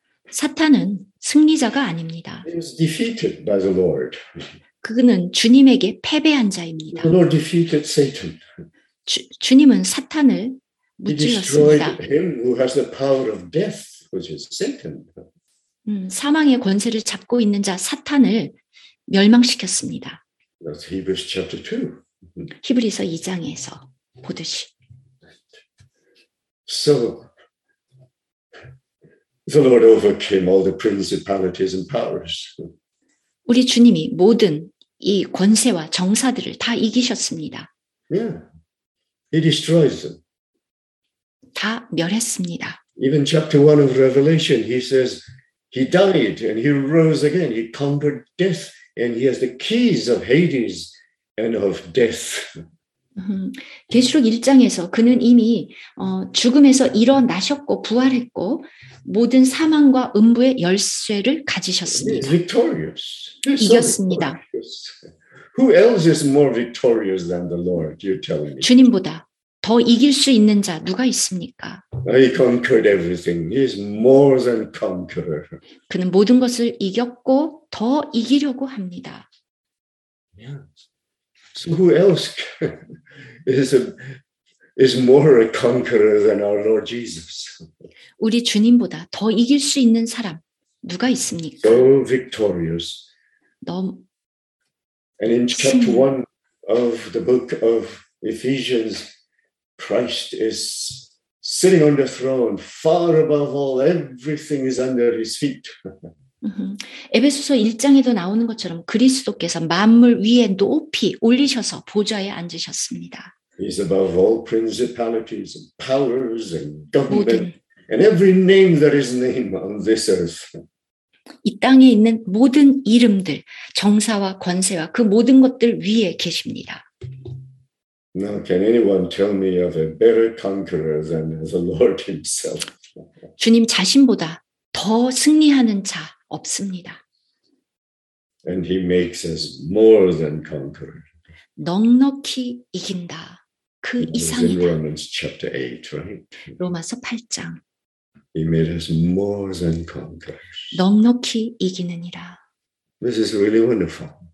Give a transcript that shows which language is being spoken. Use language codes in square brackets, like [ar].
[ko] 사탄은 승리자가 아닙니다. [en] He was defeated by the Lord. [ko] 그는 주님에게 패배한 자입니다. [en] The Lord defeated Satan. [ko] 주님은 사탄을 무찌렀습니다. [en] He destroyed him who has the power of death, which is Satan. [ko] 사망의 권세를 잡고 있는 자 사탄을 멸망시켰습니다. [en] That's Hebrews chapter 2. [ko] 히브리서 2장에서 보듯이. [en] So the Lord overcame all the principalities and powers. [ko] 우리 주님이 모든 이 권세와 정사들을 다 이기셨습니다. [en] Yeah. He destroys them. [ko] 다 멸했습니다. [en] Even chapter 1 of Revelation he says he died and he rose again. He conquered death and he has the keys of Hades. And of death. [ko] 계시록 1장에서 그는 이미 죽음에서 일어나셨고 부활했고 모든 사망과 음부의 열쇠를 가지셨습니다. [en] He's victorious. He's [ko] 이겼습니다. [en] Who else is more victorious than the Lord? You tell me. [ko] 주님보다 더 이길 수 있는 자 누가 있습니까? [en] He conquered everything. He is more than conqueror. [ko] 그는 모든 것을 이겼고 더 이기려고 합니다. [en] Yeah. So who else is more a conqueror than our Lord Jesus? [ko] 우리 주님보다 더 이길 수 있는 사람 누가 있습니까? [en] So victorious. And in chapter 1 of the book of Ephesians, Christ is sitting on the throne, far above all, everything is under his feet. [ko] 에베소서 1장에도 나오는 것처럼 그리스도께서 만물 위에 높이 올리셔서 보좌에 앉으셨습니다. [en] He's above all principalities and powers and government and every name that is named on this earth. [ko] 이 땅에 있는 모든 이름들, 정사와 권세와 그 모든 것들 위에 계십니다. [en] Now can anyone tell me of a better conqueror than the Lord himself? [ko] 주님 자신보다 더 승리하는 자 없습니다. [en] And he makes us more than conqueror. [ko] 넉넉히 이긴다. 그 이상이다. [en] Romans chapter 8, right? [ko] 로마서 8장. [en] He made us more than conquerors. [ko] 넉넉히 이기느니라. [en] This is really wonderful.